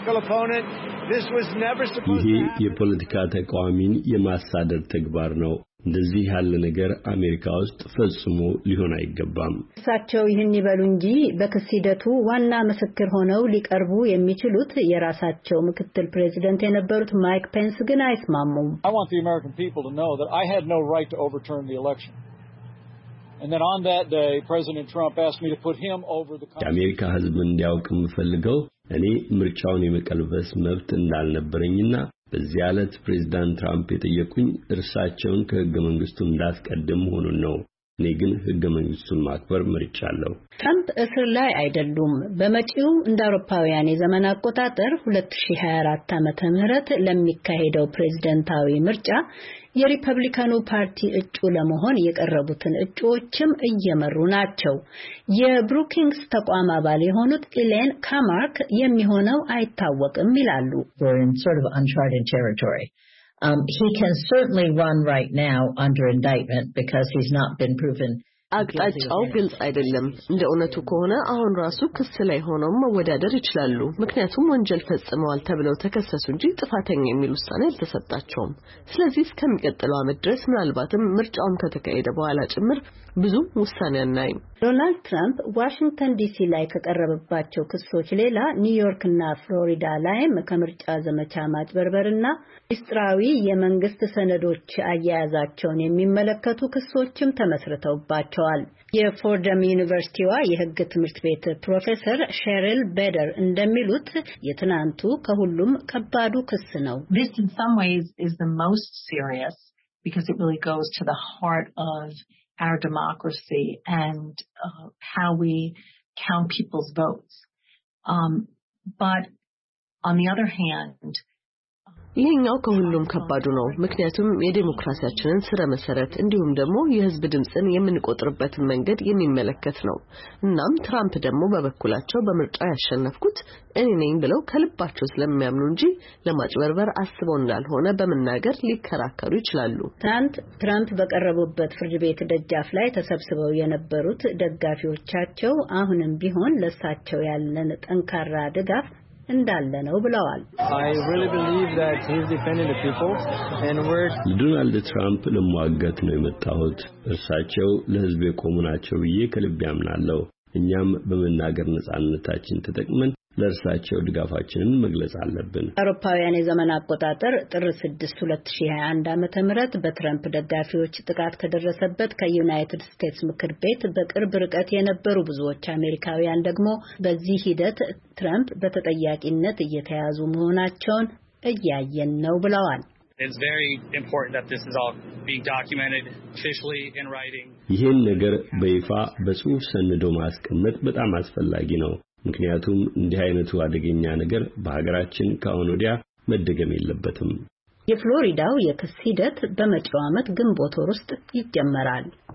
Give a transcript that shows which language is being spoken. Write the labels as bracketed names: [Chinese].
[Amharic] ይሄ የፖለቲካ ተቃዋሚን የማሳደድ ተግባር ነው። እንደዚህ ያለ ነገር አሜሪካ ውስጥ ፈጽሞ ሊሆን አይገባም። እሳቸው ይህን ይበሉ እንጂ በክስ ሂደቱ ዋና ምስክር ሆነው ሊቀርቡ የሚችሉት የራሳቸው ምክትል ፕሬዝዳንት የነበሩት ማይክ ፔንስ ግን አይስማሙም። [English] I want the American people to know that I had no right to overturn the election. And then on that day President Trump asked me to put him over the country. [Amharic] የአሜሪካ ህዝብ እንዲያውቅ ምፈልገው እኔ ምርጫውን የመቀልበስ መብት እንዳልነበረኝና በዚያ ዕለት ፕሬዝዳንት ትራምፕ የጠየቁኝ እርሳቸውን ከህገ መንግስቱ እንዳስቀድም ሆኑን ነው። እኔ ግን ህገ መንግስቱን ማክበር መርጫለሁ። ትራምፕ እስር ላይ አይደሉም። በመጪው እንደ አውሮፓውያን የዘመን አቆጣጠር 2024 ዓመተ ምህረት ለሚካሄደው ፕሬዝዳንታዊ ምርጫ የሪፐብሊካኑ ፓርቲ እጩ ለመሆን የቀረቡትን እጩዎችም እየመሩ ናቸው። የብሩኪንግስ ተቋም አባል የሆኑት ኢሌን ካማርክ የሚሆነው አይታወቅም ይላሉ። [English] He can certainly run right now under indictment because he's not been proven [Amharic] አግጣጫው ግልጽ አይደለም። እንደ እውነቱ ከሆነ አሁን ራሱ ክስ ላይ ሆነው መወዳደር ይችላሉ። ምክንያቱም ወንጀል ፈጽመዋል ተብለው ተከሰሱ እንጂ ጥፋተኛ የሚል ውሳኔ አልተሰጣቸውም። ስለዚህ እስከሚቀጥለው አመት ድረስ ምናልባትም ምርጫውን ከተካሄደ በኋላ ጭምር ብዙ ውሳኔ አናይም። ዶናልድ ትራምፕ ዋሽንግተን ዲሲ ላይ ከቀረበባቸው ክሶች ሌላ ኒውዮርክና ፍሎሪዳ ላይም ከምርጫ ዘመቻ ማጭበርበርና ምስጢራዊ የመንግስት ሰነዶች አያያዛቸውን የሚመለከቱ ክሶችም ተመስርተውባቸዋል። የፎርደም ዩኒቨርሲቲዋ የህግ ትምህርት ቤት ፕሮፌሰር ሼሪል ቤደር እንደሚሉት የትናንቱ ከሁሉም ከባዱ ክስ ነው። [English] This in some ways is the most serious because it really goes to the heart of our democracy and how we count people's votes. But on the other hand, [Amharic] ይሄኛው ከሁሉም ከባዱ ነው። ምክንያቱም የዴሞክራሲያችንን ስረ መሰረት እንዲሁም ደግሞ የህዝብ ድምጽን የምንቆጥርበት መንገድ የሚመለከት ነው። እናም ትራምፕ ደግሞ በበኩላቸው በምርጫ ያሸነፍኩት እኔ ነኝ ብለው ከልባቸው ስለሚያምኑ እንጂ ለማጭበርበር አስበው እንዳልሆነ በመናገር ሊከራከሩ ይችላሉ። ትራምፕ በቀረቡበት ፍርድ ቤት ደጃፍ ላይ ተሰብስበው የነበሩት ደጋፊዎቻቸው አሁንም ቢሆን ለሳቸው ያለን ጠንካራ ድጋፍ እንዳለ ነው ብለዋል። [English] I really believe that he's defending the people and we're [Amharic] Donald Trump ለማዋጋት ነው የመጣሁት። እርሳቸው ለህዝብ የቆሙ ናቸው ብዬ ከልብ ያምናለሁ። እኛም በመናገር ነጻነታችን ተጠቅመን ለርሳቸው ድጋፋችንን መግለጽ አለብን። አውሮፓውያን የዘመን አቆጣጠር ጥር 6 2021 ዓመተ ምህረት በትራምፕ ደጋፊዎች ጥቃት ከደረሰበት ከዩናይትድ ስቴትስ ምክር ቤት በቅርብ ርቀት የነበሩ ብዙዎች አሜሪካውያን ደግሞ በዚህ ሂደት ትራምፕ በተጠያቂነት እየተያዙ መሆናቸውን እያየን ነው ብለዋል። [English] It's very important that this is all being documented officially in writing. [Amharic] ይሄን ነገር በይፋ በጽሑፍ ሰነዶ ማስቀመጥ በጣም አስፈላጊ ነው። ምክንያቱም እንዲህ አይነቱ አደገኛ ነገር በሀገራችን ካሁን ወዲያ መደገም የለበትም። የፍሎሪዳው የክስ ሂደት በመጪው ዓመት ግንቦት ወር ውስጥ ይጀመራል።